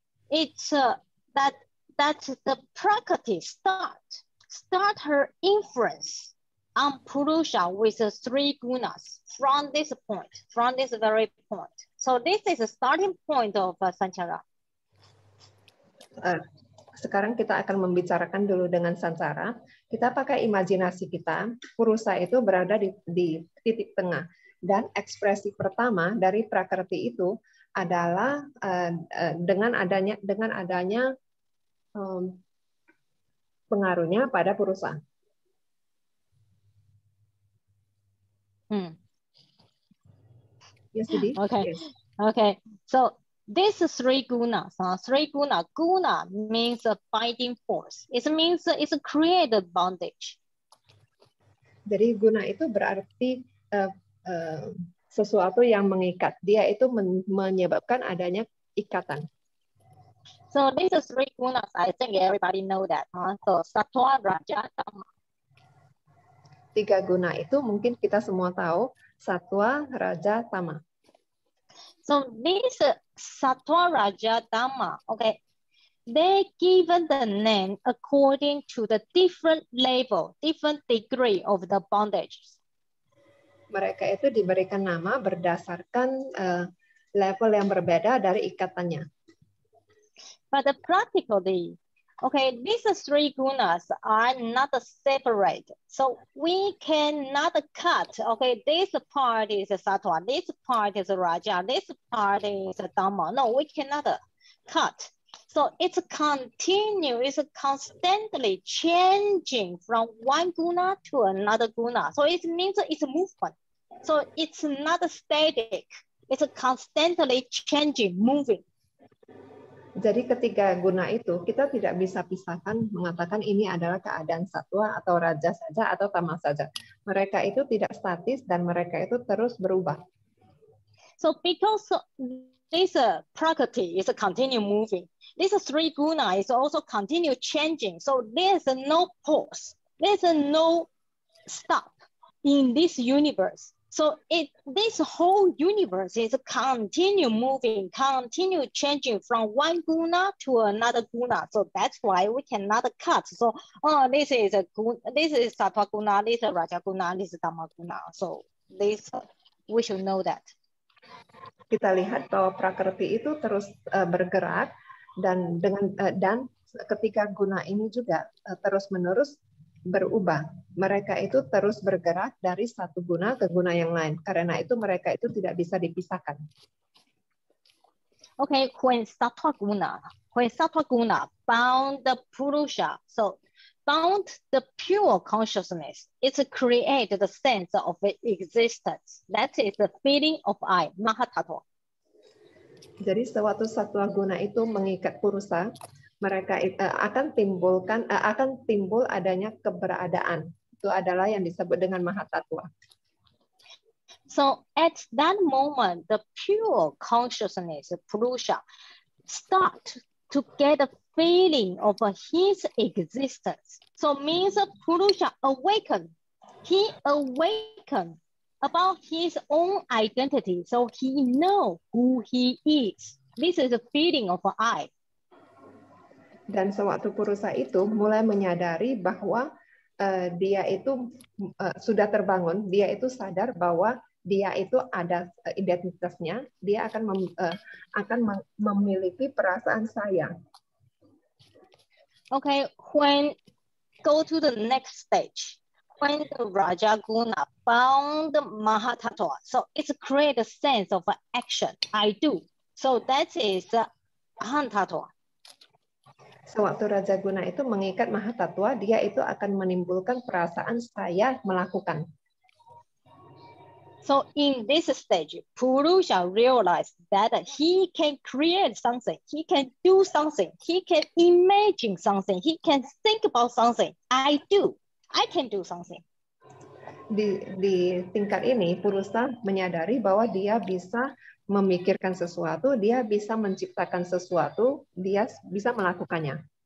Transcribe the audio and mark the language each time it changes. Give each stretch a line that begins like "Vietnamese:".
English: it's that's the property start her influence on Purusha with the three gunas from this point, from this very point. So this is a starting point of Sansara.
Indonesian: Sekarang kita akan membicarakan dulu dengan Sansara. Kita pakai imajinasi kita, Purusha itu berada di titik tengah. Dan ekspresi pertama dari prakerti itu adalah dengan adanya pengaruhnya pada Purusha.
English: Yes, Didi. Okay. Yes. Okay. So this is three gunas. Three guna. Guna means a binding force. It means it's a created bondage.
Indonesian: Jadi guna itu berarti sesuatu yang mengikat. Dia itu menyebabkan adanya ikatan.
English: So this is three gunas. I think everybody know that. So sattva, raja, tama.
Indonesian: Tiga guna itu mungkin kita semua tahu. Sattva, raja, tama.
English: So this sattva, raja, tama, okay, they given the name according to the different level, different degree of the bondage.
Indonesian: Mereka itu diberikan nama berdasarkan level yang berbeda dari ikatannya.
English: But practically, okay, these three gunas are not separate. So we cannot cut, okay, this part is sattva, this part is raja, this part is dhamma. No, we cannot cut. So it's continue, it's constantly changing from one guna to another guna. So it means it's a movement. So it's not static. It's constantly changing, moving.
Indonesian: Jadi ketiga guna itu kita tidak bisa pisahkan mengatakan ini adalah keadaan sattva atau raja saja atau tama saja. Mereka itu tidak statis dan mereka itu terus berubah.
English: So because this prakriti is continue moving, this three guna is also continue changing. So there's no pause, there's no stop in this universe. So this whole universe is continue moving, continue changing from one guna to another guna. So that's why we cannot cut. So this is sattva guna, this is raja guna, this is dhamma guna. So this we should know that.
Indonesian: Kita lihat bahwa prakerti itu terus bergerak dan ketika guna ini juga terus menerus berubah. Mereka itu terus bergerak dari satu guna ke guna yang lain. Karena itu mereka itu tidak bisa dipisahkan.
English: Okay, when sattva guna bound the purusha, so bound the pure consciousness, it create the sense of existence. That is the feeling of I, mahatattva.
Indonesian: Jadi sewaktu sattva guna itu mengikat purusha, mereka akan timbul adanya keberadaan. Itu adalah yang disebut dengan mahatattva.
English: So at that moment, the pure consciousness, Purusha, start to get a feeling of his existence. So means Purusha awaken. He awaken about his own identity. So he know who he is. This is a feeling of I.
Indonesian: Dan sewaktu Purusha itu mulai menyadari bahwa dia itu sudah terbangun, dia itu sadar bahwa dia itu ada identitasnya, dia akan memiliki perasaan saya.
English: Okay, when go to the next stage, when the Raja Guna bound the Mahatattva, so it's create a sense of action, I do. So that is Ahantattva.
Indonesian: Sewaktu Raja Guna itu mengikat Mahatattva, dia itu akan menimbulkan perasaan saya melakukan.
English: So in this stage, Purusha realized that he can create something, he can do something, he can imagine something, he can think about something. I can do something.
Indonesian: Di tingkat ini, Purusha menyadari bahwa dia bisa memikirkan sesuatu, dia bisa menciptakan sesuatu, dia bisa melakukannya.